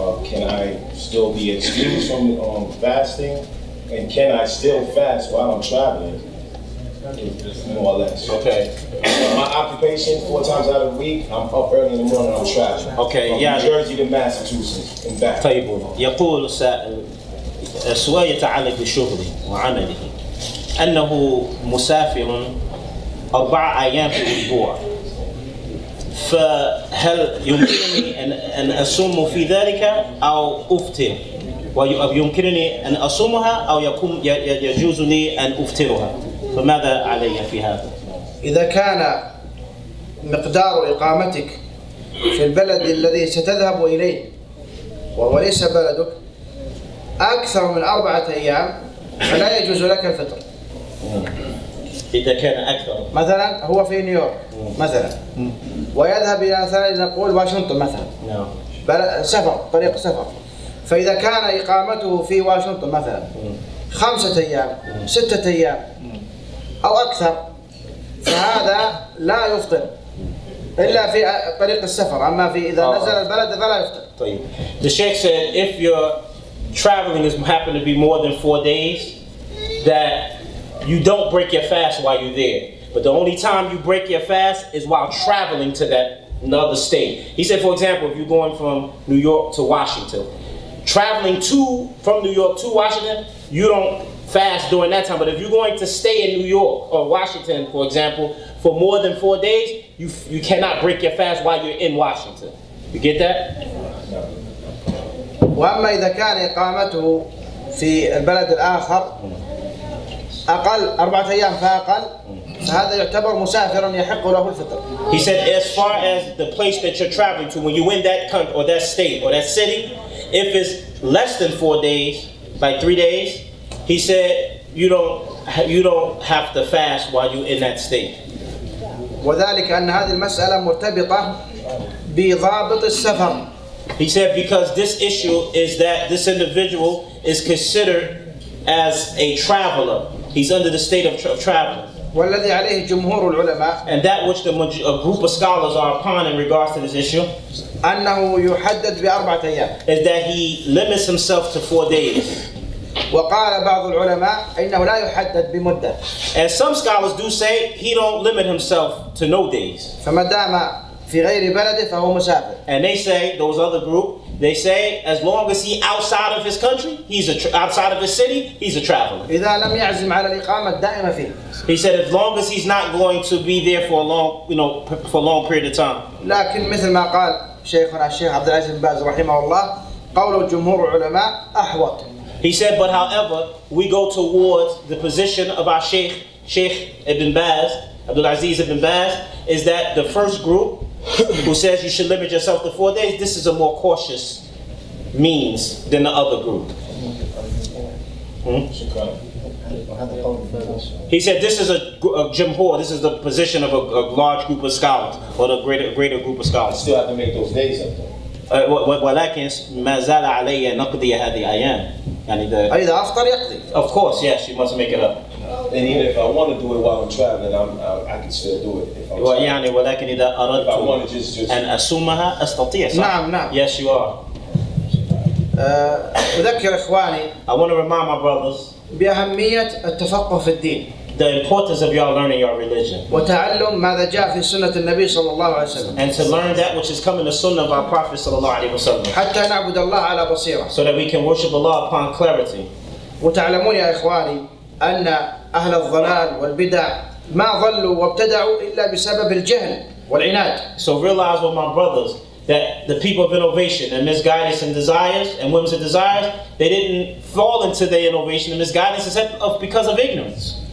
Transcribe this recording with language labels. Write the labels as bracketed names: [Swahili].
[English] Can I still be excused from fasting? And can I still fast while I'm traveling? More or less. Okay. My occupation, 4 times out of the week, I'm up early in the morning, I'm traveling. Okay, from New Jersey to Massachusetts and back. [Arabic] طيب. يقول السائل سواء يتعلق بشغله وعمله أنه مسافر 4 أيام في الأسبوع. فهل يمكنني أن أصوم في ذلك أو أفطر؟ ويمكنني أن أصومها أو يجوز لي أن أفطرها؟ فماذا علي في هذا؟ إذا كان مقدار إقامتك في البلد الذي ستذهب إليه وهو ليس بلدك أكثر من 4 أيام فلا يجوز لك الفطر. إذا كان أكثر مثلا هو في نيويورك مثلا ويذهب إلى مثلا نقول واشنطن مثلا سفر طريق سفر فإذا كان إقامته في واشنطن مثلا 5 أيام 6 أيام أو أكثر فهذا لا يفطر إلا في طريق السفر أما في إذا نزل البلد فلا يفطر. طيب. [English] The Sheikh said if your traveling is happen to be more than 4 days that you don't break your fast while you're there. But the only time you break your fast is while traveling to that another state. He said, for example, if you're going from New York to Washington, traveling to from New York to Washington, you don't fast during that time. But if you're going to stay in New York or Washington, for example, for more than 4 days, you cannot break your fast while you're in Washington. You get that? [Arabic] وأما إذا كان إقامته في البلد الآخر أقل أربعة أيام فأقل فهذا يعتبر مسافرا يحق له الفطر. [English] He said, as far as the place that you're traveling to, when you're in that country or that state or that city, if it's less than 4 days, like 3 days, he said, you don't have to fast while you're in that state. [Arabic] وذلك أن هذه المسألة مرتبطة بضابط السفر. [English] He said, because this issue is that this individual is considered as a traveler. He's under the state of travel. [Arabic] والذي عليه جمهور العلماء. [English] And that which a group of scholars are upon in regards to this issue. [Arabic] أنه يحدد بأربعة أيام. [English] Is that he limits himself to 4 days. [Arabic] وقال بعض العلماء إنه لا يحدد بمدة. [English] And some scholars do say he don't limit himself to no days. [Arabic] فما دام في غير بلده فهو مسافر. [English] And they say, those other group, they say, as long as he outside of his country, he's outside of his city, he's a traveler. [Arabic] إذا لم يعزم على الإقامة الدائمة فيه. [English] He said, as long as he's not going to be there for a long, for a long period of time. [Arabic] لكن مثل ما قال شيخنا الشيخ عبد العزيز بن باز رحمه الله قول جمهور العلماء أحوط. [English] He said, but however, we go towards the position of our Shaykh, Shaykh Ibn Baz, Abdul Aziz Ibn Baz, is that the first group who says you should limit yourself to 4 days, this is a more cautious means than the other group. He said, this is a jumhur, this is the position of a large group of scholars, or the greater group of scholars. You still have to make those days up though. [Arabic] ولكن ما زال علي نقضي هذه الأيام يعني ده. أيضا أفطر يقضي. [English] Of course, yes, you must make it up. And even if I want to do it while I'm traveling, I can still do it. If I [Arabic] well, يعني ولكن إذا أردت أن أسومها أستطيع. صح؟ نعم نعم. [English] Yes, you are. [Arabic] أذكر إخواني. [English] I want to remind my brothers. [Arabic] بأهمية التفقه في الدين. [English] The importance of y'all learning your religion. [Arabic] وتعلم ماذا جاء في سنة النبي صلى الله عليه وسلم. [English] And to learn that which is coming to Sunnah of our Prophet [Arabic] صلى الله عليه وسلم. حتى نعبد الله على بصيرة. [English] So that we can worship Allah upon clarity. [Arabic] وتعلمون يا إخواني أن أهل الضلال والبدع ما ظلوا وابتدعوا إلا بسبب الجهل والعناد. [English] So realize with my brothers that the people of innovation and misguidance and desires and whims and desires, they didn't fall into their innovation and misguidance except because of ignorance.